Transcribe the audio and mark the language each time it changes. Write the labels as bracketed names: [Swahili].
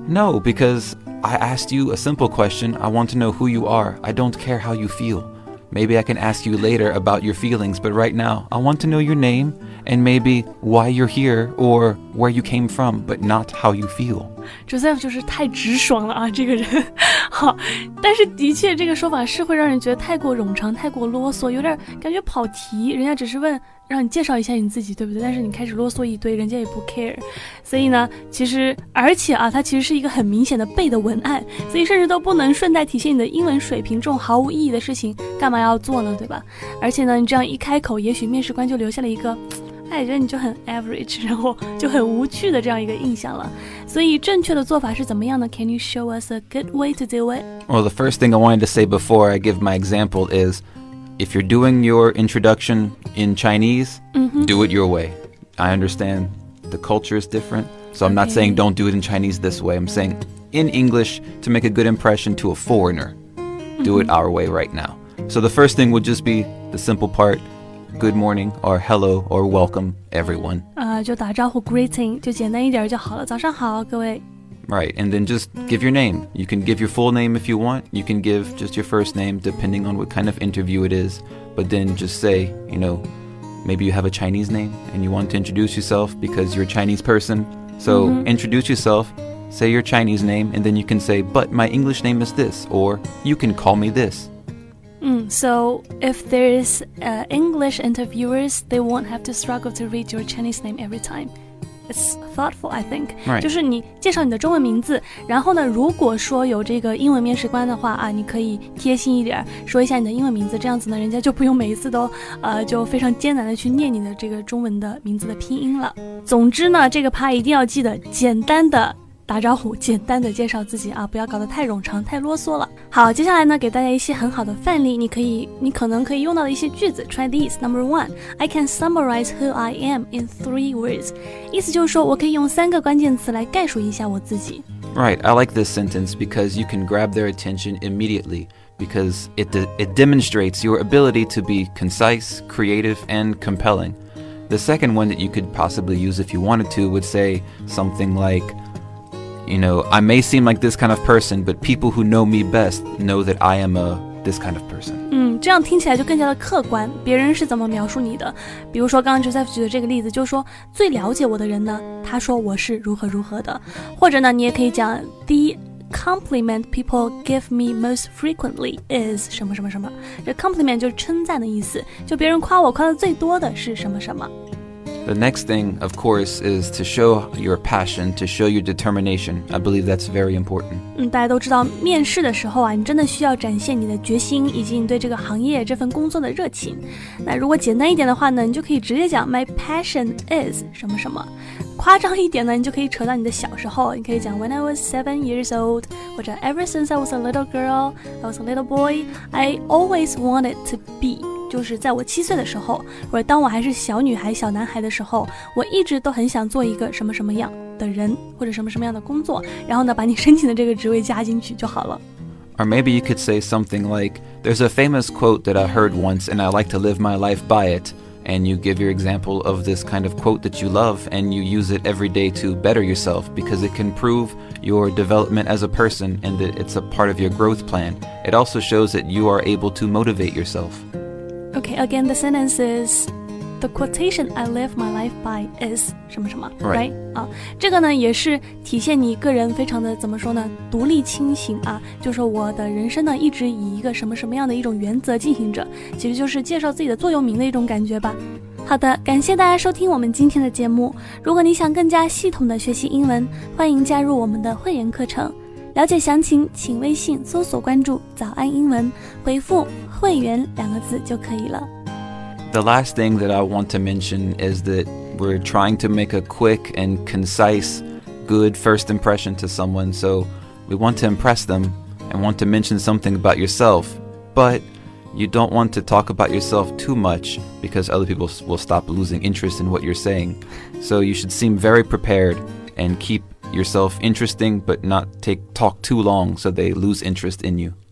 [English] No, because I asked you a simple question. I want to know who you are. I don't care how you feel. Maybe I can ask you later about your feelings, but right now I want to know your name and maybe why you're here or where you came from, but not how you feel. [Chinese] Joseph 就是太直爽了啊，这个人。好，但是的确这个说法是会让人觉得太过冗长，太过啰嗦，有点感觉跑题。人家只是问让你介绍一下你自己，对不对？但是你开始啰嗦一堆，人家也不 care。所以呢，其实而且啊，它其实是一个很明显的背的文案，所以甚至都不能顺带体现你的英文水平。这种毫无意义的事情，干嘛要做呢？对吧？而且呢，你这样一开口，也许面试官就留下了一个。哎，觉得你就很 average, 然后就很无趣的这样一个印象了。所以正确的做法是怎么样呢？ [English] Can you show us a good way to do it? Well, the first thing I wanted to say before I give my example is, if you're doing your introduction in Chinese, do it your way. I understand the culture is different, so I'm not saying don't do it in Chinese this way. I'm saying in English to make a good impression to a foreigner, do it our way right now. So the first thing would just be the simple part,Good morning, or hello, or welcome, everyone. [Chinese] 就打招呼 greeting, 就简单一点就好了。早上好，各位。 [English] Right, and then just give your name. You can give your full name if you want. You can give just your first name, depending on what kind of interview it is. But then just say, you know, maybe you have a Chinese name, and you want to introduce yourself because you're a Chinese person. So introduce yourself, say your Chinese name, and then you can say, but my English name is this, or you can call me this. So if there's English interviewers, they won't have to struggle to read your Chinese name every time. It's thoughtful, I think. Right. [Chinese] 就是你介绍你的中文名字，然后呢，如果说有这个英文面试官的话啊，你可以贴心一点，说一下你的英文名字，这样子呢，人家就不用每一次都，就非常艰难的去念你的这个中文的名字的拼音了。总之呢，这个趴一定要记得简单的打招呼，简单的介绍自己啊，不要搞得太冗长，太啰嗦了。好，接下来呢，给大家一些很好的范例，你可能可以用到的一些句子。 [English] Try these. Number one, I can summarize who I am in 3 words. [Chinese] 意思就是说，我可以用三个关键词来概述一下我自己。 [English] Right, I like this sentence because you can grab their attention immediately because it demonstrates your ability to be concise, creative, and compelling. The second one that you could possibly use if you wanted to would say something like,You know, I may seem like this kind of person, but people who know me best know that I am a this kind of person. [Chinese] 嗯，这样听起来就更加的客观。别人是怎么描述你的？比如说刚刚 Joseph 举的这个例子，就说最了解我的人呢，他说我是如何如何的。或者呢，你也可以讲 [English] the compliment people give me most frequently is [Chinese] 什么什么什么。这 compliment 就是称赞的意思，就别人夸我夸的最多的是什么什么。 [English] The next thing, of course, is to show your passion, to show your determination. I believe that's very important. [Chinese] 大家都知道面试的时候啊，你真的需要展现你的决心以及你对这个行业这份工作的热情。那如果简单一点的话呢，你就可以直接讲 [English] My passion is [Chinese] 什么什么。夸张一点呢，你就可以扯到你的小时候，你可以讲 [English] When I was 7 years old, [Chinese] 或者 [English] Ever since I was a little girl, I was a little boy, I always wanted to be. [Chinese] 就是在我7岁的时候，或者当我还是小女孩、小男孩的时候，我一直都很想做一个什么什么样的人，或者什么什么样的工作，然后呢，把你申请的这个职位加进去就好了。 [English] Or maybe you could say something like, there's a famous quote that I heard once and I like to live my life by it. And you give your example of this kind of quote that you love and you use it every day to better yourself because it can prove your development as a person and that it's a part of your growth plan. It also shows that you are able to motivate yourself. Okay, again, the sentence is, the quotation I live my life by is [Chinese] 什么什么 [English] right? [Chinese] 啊，这个呢也是体现你个人非常的怎么说呢，独立清醒啊，就是我的人生呢一直以一个什么什么样的一种原则进行着，其实就是介绍自己的座右铭的一种感觉吧。好的，感谢大家收听我们今天的节目。如果你想更加系统的学习英文，欢迎加入我们的会员课程。了解详情请微信搜索关注早安英文，回复会员两个字就可以了。 [English] The last thing that I want to mention is that we're trying to make a quick and concise good first impression to someone, so we want to impress them and want to mention something about yourself, but you don't want to talk about yourself too much because other people will stop losing interest in what you're saying, so you should seem very prepared and keep yourself interesting but not talk too long so they lose interest in you.